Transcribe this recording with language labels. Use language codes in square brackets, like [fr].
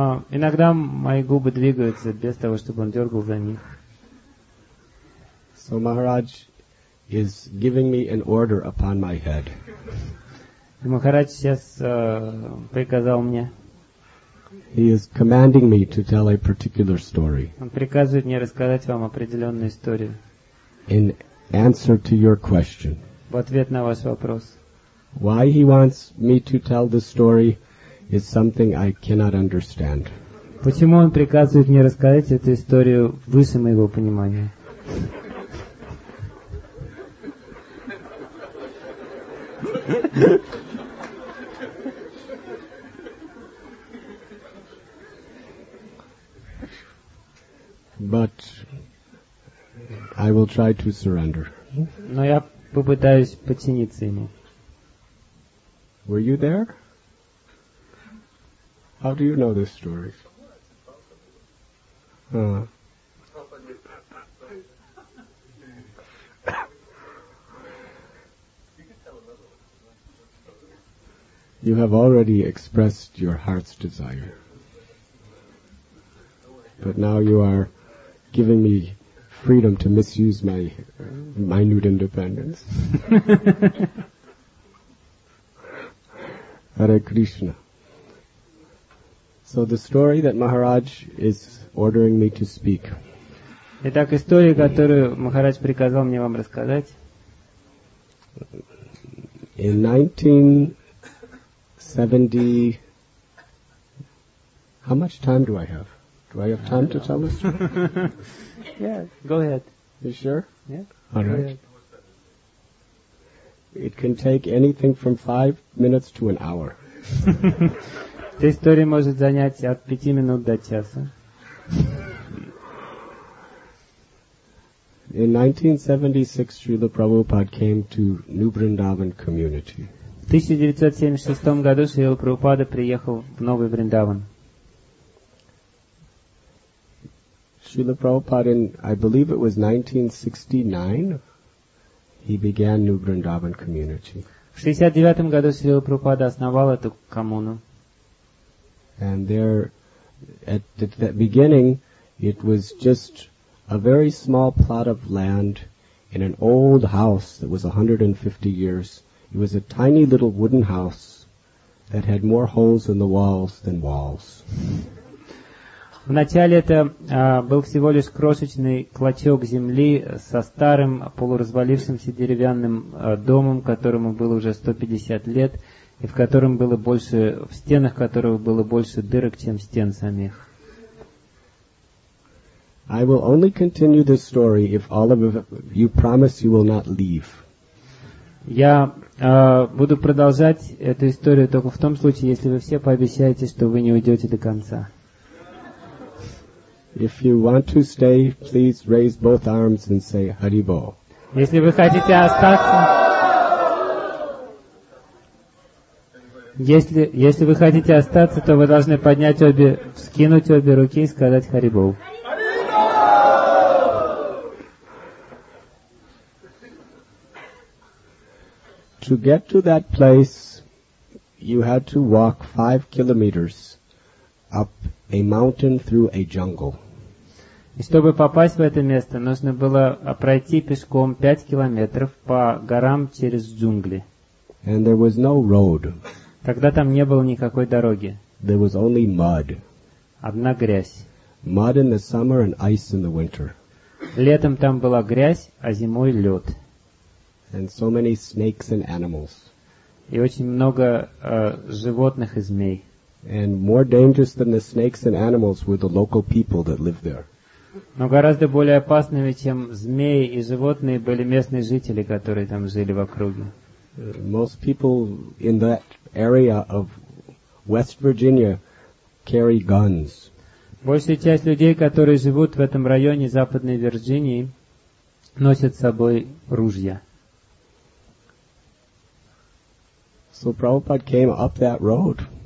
[ru] Иногда мои губы двигаются без того, чтобы он дергал за них. [en] So Maharaj is giving me an order upon my head. [ru] Махарадж сейчас приказал мне. [en] He is commanding me to tell a particular story. [ru] Он приказывает мне рассказать вам определенную историю. [en] In answer to your question. [ru] В ответ на ваш вопрос. [en] Why he wants me to tell the story is something I cannot understand. [ru] Почему он приказывает мне рассказать эту историю выше моего понимания? [en] But I will try to surrender. [ru] Но я попытаюсь подчиниться ему. [en] Were you there? How do you know this story? You have already expressed your heart's desire. But now you are giving me freedom to misuse my minute independence. Hare Krishna. So the story that Maharaj is ordering me to speak. [ru] Итак, история, которую Махарадж приказал мне вам рассказать. [en] In 1970, how much time do I have? Do I have time to tell this story? Yeah, go ahead. You sure? Yeah. All right. It can take anything from 5 minutes to an hour. [ru] Эта история может занять от 5 минут до часа. [en] In 1976, Srila Prabhupada came to New Vrindavan community. [ru] В 1976 году Srila Prabhupada приехал в Новый Вриндаван. [en] Srila Prabhupada, in, I believe it was 1969, he began New Vrindavan community. [ru] В 69 году Srila Prabhupada основал эту коммуну. [en] And there, at the beginning, it was just a very small plot of land in an old house that was 150 years. It was a tiny little wooden house that had more holes in the walls than walls. [ru] Вначале это был всего лишь крошечный клочок земли со старым полуразвалившимся деревянным домом, которому было уже 150 лет, и в котором было больше, в стенах которого было больше дырок, чем стен самих. [en] I will only continue this story if all of you promise you will not leave. [ru] Я буду продолжать эту историю только в том случае, если вы все пообещаете, что вы не уйдете до конца. [en] If you want to stay, please raise both arms and say Hari Bol. [ru] Если вы хотите остаться, если вы хотите остаться, то вы должны поднять обе, вскинуть обе руки и сказать Hari Bol. [en] To get to that place, you had to walk 5 kilometers up a mountain through a jungle. [ru] И чтобы попасть в это место, нужно было пройти пешком 5 километров по горам через джунгли. [en] And there was no road. [ru] Тогда там не было никакой дороги. [en] There was only mud. [ru] Одна грязь. [en] Mud in the summer and ice in the winter. [ru] Летом там была грязь, а зимой лед. [en] and so many snakes and animals. [ru] И очень много животных и змей. [en] And more dangerous than the snakes and animals were the local people that lived there. [ru] Но гораздо более опасными, чем змеи и животные, были местные жители, которые там жили в округе. [en] Most people in that area of West Virginia carry guns. [ru] Большая часть людей, которые живут в этом районе Западной Вирджинии, носят с собой ружья. [en] So Prabhupada came up that road.